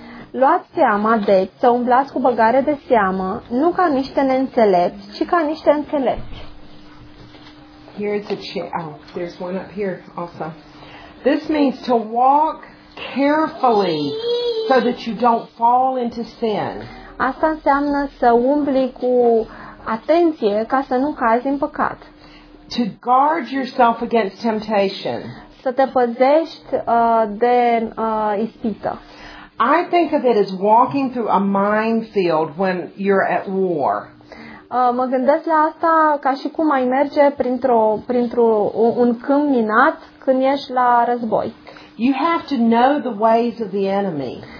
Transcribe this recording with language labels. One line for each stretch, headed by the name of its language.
Romanian: Luați seama, deci, să umblați cu băgare de seamă, nu ca niște neînțelepți, ci ca niște înțelepți.
English: There's one up here also. This means to walk carefully so that you don't fall into sin.
Romanian: Asta înseamnă să umbli cu atenție ca să nu cazi în păcat.
English: To guard yourself against temptation.
Romanian: Să te păzești de ispită.
English: I think of it as walking through a minefield when you're at war.
Romanian: Mă gândesc la asta ca și cum ai merge printr-un câmp minat când ești la război.
English: You have to know the ways of the enemy.